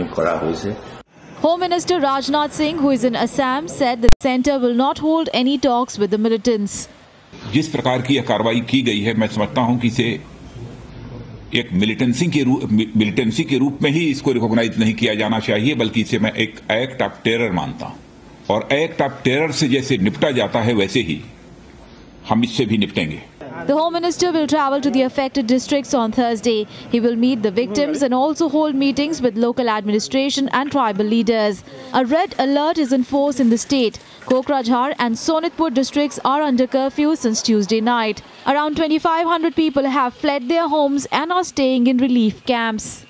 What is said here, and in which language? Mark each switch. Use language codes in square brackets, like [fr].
[en] Home Minister Rajnath Singh, who is in Assam, said the center will not hold any talks with the militants. [hi] जिस प्रकार की यह कार्रवाई की गई है, मैं समझता हूं कि इसे एक militancy के रूप में ही इसको recognize नहीं किया जाना चाहिए, बल्कि इसे मैं एक [en] act of terror [hi] मानता हूं। और [en] act of terror [hi] से जैसे निपटा जाता है, वैसे ही हम इससे भी निपटेंगे। [en] The Home Minister will travel to the affected districts on Thursday. He will meet the victims and also hold meetings with local administration and tribal leaders. A red alert is in force in the state. Kokrajhar and Sonitpur districts are under curfew since Tuesday night. Around 2,500 people have fled their homes and are staying in relief camps.